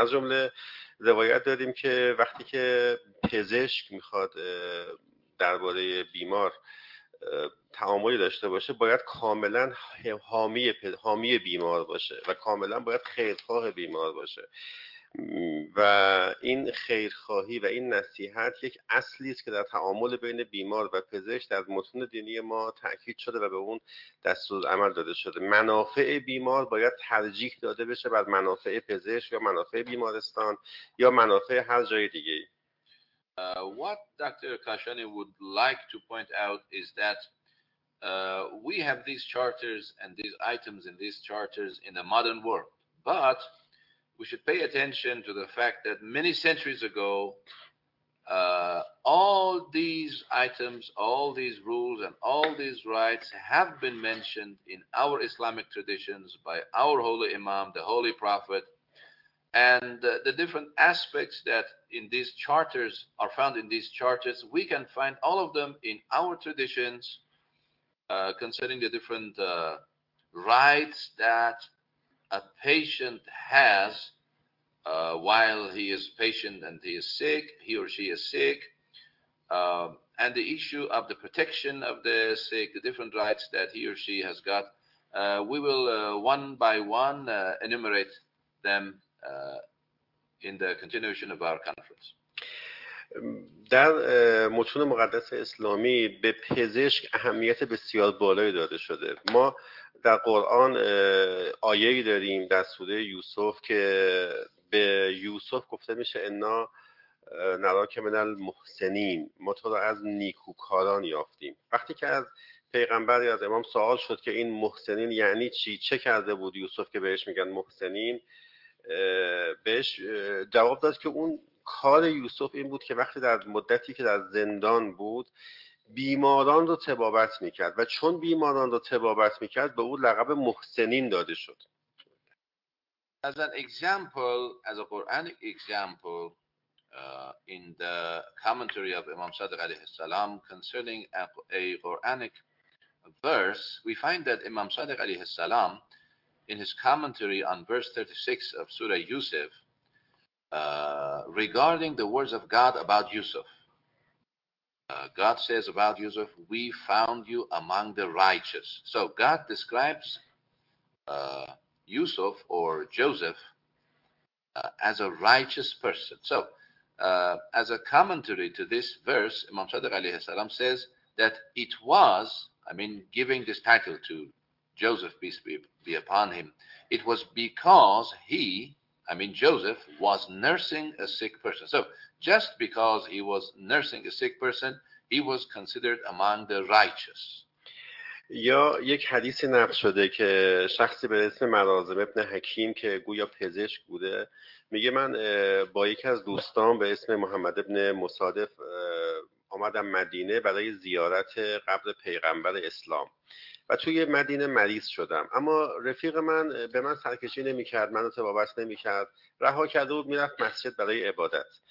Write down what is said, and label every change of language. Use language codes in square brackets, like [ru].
[fa] از جمله روایت داریم که وقتی که پزشک میخواد درباره بیمار تعاملی داشته باشه، باید کاملا حامی بیمار باشه و کاملا باید خیرخواه بیمار باشه، و این خیرخواهی و این نصیحت یک اصلی است که در تعامل بین بیمار و پزشک در متون دینی ما تاکید شده و به اون دستور عمل داده شده. منافع بیمار باید ترجیح داده بشه بر منافع پزشک یا منافع بیمارستان یا منافع هر جای دیگه. [en] What Dr. Kashani would like to point out is that we have these charters and these items in these charters in the modern world, but we should pay attention to the fact that many centuries ago, all these items, all these rules, and all these rights have been mentioned in our Islamic traditions by our Holy Imam, the Holy Prophet. And the different aspects that in these charters are found in these charters, we can find all of them in our traditions concerning the different rights that a patient has while he is patient and he is sick, he or she is sick, and the issue of the protection of the sick, the different rights that he or she has got. We will one by one enumerate them in the continuation of our conference. [fa] در متون مقدس اسلامی به پزشک اهمیت بسیار بالایی داده شده. ما در قرآن آیه‌ای داریم در سوره یوسف که به یوسف گفته میشه [ar] انا نراک من المحسنین، [fa] ما تو را از نیکوکاران یافتیم. وقتی که از پیغمبر یا از امام سوال شد که این محسنین یعنی چی، چه کرده بود یوسف که بهش میگن محسنین، بهش جواب داد که اون کار یوسف این بود که وقتی در مدتی که در زندان بود بیماران رو طبابت میکرد، و چون بیماران رو طبابت میکرد به اون لقب محسنین داده شد. [en] As an example, as a Quranic example, in the commentary of Imam Sadiq alayhi salam concerning a Quranic verse, we find that Imam Sadiq alayhi salam in his commentary on verse 36 of Surah Yusuf, regarding the words of God about Yusuf, God says about Yusuf, we found you among the righteous. So God describes Yusuf or Joseph as a righteous person. So as a commentary to this verse, Imam Sadiq alayhi salam says that it was, I mean, giving this title to Joseph, peace be upon him, it was because he, I mean Joseph, was nursing a sick person. So just because he was nursing a sick person, he was considered among the righteous. [fa] یا یک حدیثی نقل شده که شخصی به اسم ملازم ابن حکیم که گویا پزشک بوده میگه من با یکی از دوستان به اسم محمد ابن مصادف آمدم مدینه برای زیارت قبر پیغمبر اسلام و توی مدینه مریض شدم، اما رفیق من به من سرکشی نمی کرد، من رو تبابت نمی کرد، رها کرده بود می رفت مسجد برای عبادت